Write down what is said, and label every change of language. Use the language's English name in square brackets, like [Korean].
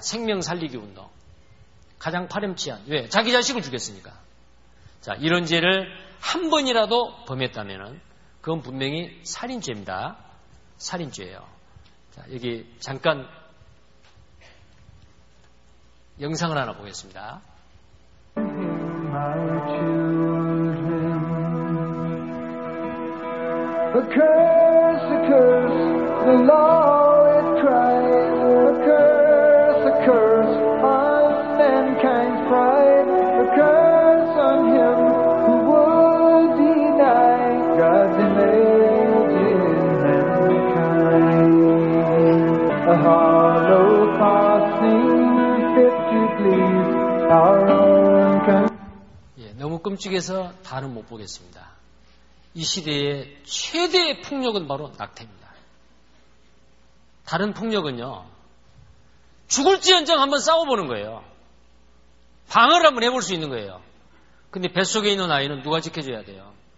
[Korean] 생명 살리기 운동. 가장 파렴치한. 왜? 자기 자식을 죽였으니까. 자, 이런 죄를 한 번이라도 범했다면은 그건 분명히 살인죄입니다. 살인죄예요. 자, 여기 잠깐 영상을 하나 보겠습니다. [English] My children, a curse, a curse, the law it cried, a curse on mankind's pride, a curse on him who would deny God's image in mankind, a hollow cross seems fit to please our own kind. [Korean] 너무 끔찍해서 다는 못 보겠습니다. 이 시대의 최대의 폭력은 바로 낙태입니다. 다른 폭력은요, 죽을지언정 한번 싸워보는 거예요. 방어를 한번 해볼 수 있는 거예요. 근데 뱃속에 있는 아이는 누가 지켜줘야 돼요?